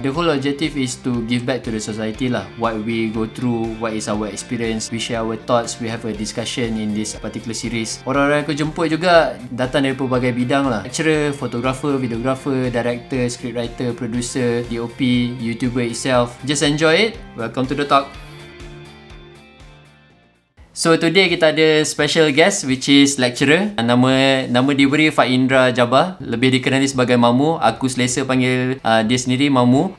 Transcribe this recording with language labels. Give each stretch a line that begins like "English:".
English: The whole objective is to give back to the society lah. What we go through, what is our experience, we share our thoughts, we have a discussion in this particular series.
Malay: Orang-orang aku jemput juga datang dari pelbagai bidang lah.
English: Lecturer, photographer, videographer, director, scriptwriter, producer, DOP, YouTuber itself. Just enjoy it. Welcome to The Talk. So today
Malay: kita ada
English: special guest which is lecturer.
Malay: Nama diberi Faindra Jabbar, lebih dikenali sebagai Mamu. Aku selesa panggil dia sendiri Mamu.